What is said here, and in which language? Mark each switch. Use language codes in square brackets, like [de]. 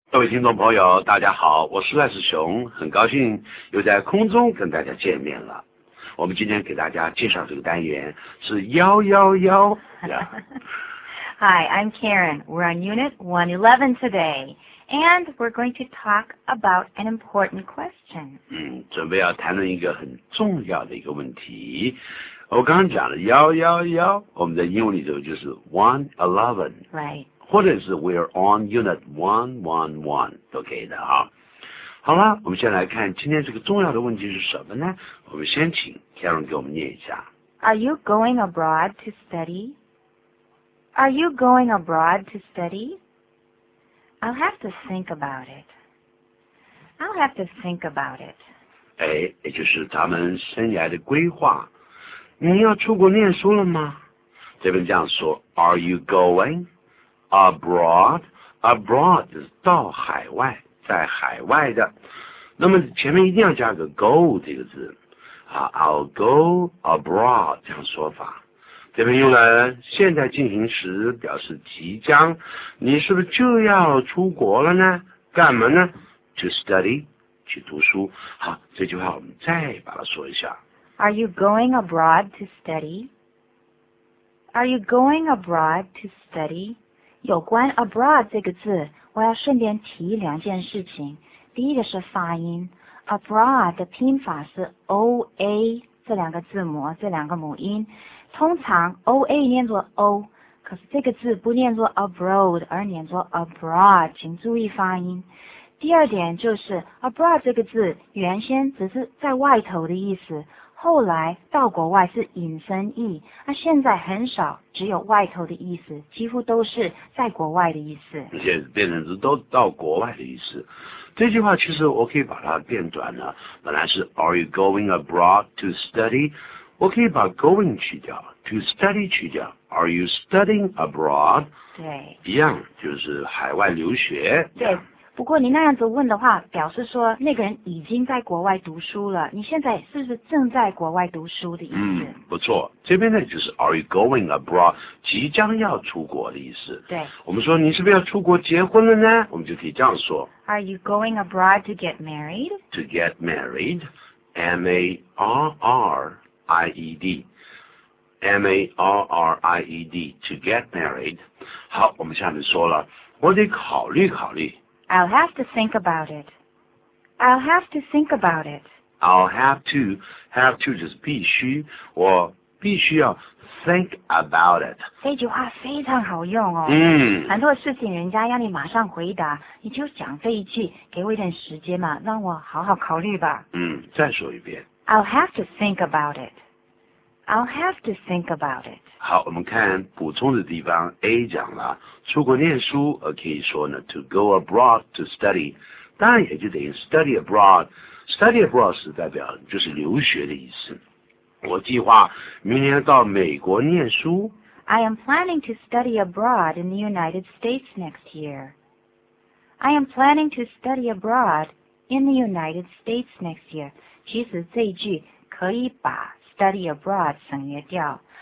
[zh] 各位听众朋友，大家好，我是赖世雄，很高兴又在空中跟大家见面了。我们今天给大家介绍这个单元是111。 [en] Hi, I'm Karen. We're on Unit 111 today, and we're going to talk about an important question. [zh] 准备要谈论一个很重要的一个问题。我刚刚讲了111，我们在英文里头就是111。 [en] Right. [zh] 或者是 we're on unit 111 都可以的啊。好了，我们先来看今天这个重要的问题是什么呢？我们先请 Karen 给我们念一下。 [en] Are you going abroad to study? Are you going abroad to study? I'll have to think about it. I'll have to think about it. [zh] 也就是咱们生涯的规划。你要出国念书了吗？这边这样说 , Are you going? Abroad 就是到海外，在海外的。那么前面一定要加个 go 这个字啊 ， I'll go abroad 这样说法。这边用了现在进行时，表示即将。你是不是就要出国了呢？干嘛呢 ？ To study，去读书。好，这句话我们再把它说一下。 [en] Are you going abroad to study? Are you going abroad to study? [zh] 有关 abroad 这个字，我要顺便提两件事情。第一个是发音 ，abroad 的拼法是 oa 这两个字母，这两个母音。通常 oa 念作 o， 可是这个字不念作 abroad， 而念作 abroad， 请注意发音。第二点就是 abroad 这个字原先只是在外头的意思，后来到国外是引申义，那现在很少只有外头的意思，几乎都是在国外的意思，而且变成是都到国外的意思。这句话其实我可以把它变短了，本来是 Are you going abroad to study? 我可以把 going 去掉， to study 去掉， Are you studying abroad? 对，一样就是海外留学。对，不过你那样子问的话，表示说那个人已经在国外读书了，你现在是不是正在国外读书的意思？不错，这边呢就是 Are you going abroad? 即将要出国的意思。对，我们说你是不是要出国结婚了呢？我们就可以这样说 [en] Are you going abroad to get married? To get married M-A-R-R-I-E-D M-A-R-R-I-E-D To get married 好，我们下面说了，我得考虑考虑。 I'll have to think about it. I'll have to think about it. I'll have to. [zh] Have to 就是必须，我必须要 think about it. 这句话非常好用哦。很多事情人家要你马上回答，你就讲这一句，给我一点时间嘛，让我好好考虑吧。再说一遍。 I'll have to think about it. I'll have to think about it. 好，我们看补充的地方 ，A 讲了。出国念书，可以说呢 ， to go abroad to study，当然也就等于 study abroad。 study abroad 是代表就是留学的意思。我计划明年到美国念书。 [en] I am planning to study abroad in the United States next year. I am planning to study abroad in the United States next year. [zh] 其实这一句可以把 study abroad 省略掉。